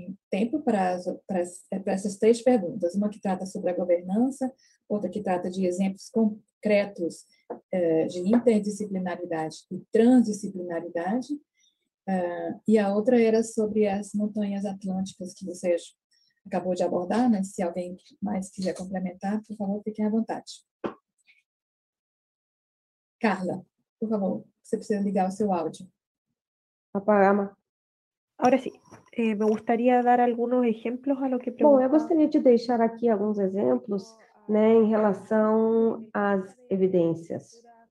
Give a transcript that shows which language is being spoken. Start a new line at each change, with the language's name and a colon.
Portuguese: Tempo para essas três perguntas, uma que trata sobre a governança, outra que trata de exemplos concretos de interdisciplinaridade e transdisciplinaridade, e a outra era sobre as montanhas atlânticas que você acabou de abordar, né? Se alguém mais quiser complementar, por favor, fiquem à vontade. Carla, por favor, você precisa ligar o seu áudio. Apagamos. Agora sim.
Spanish: Me gustaría dar algunos ejemplos a lo que preguntaba.
Portuguese: Bom, eu gostaria de deixar aqui alguns exemplos, né, em relação às evidências.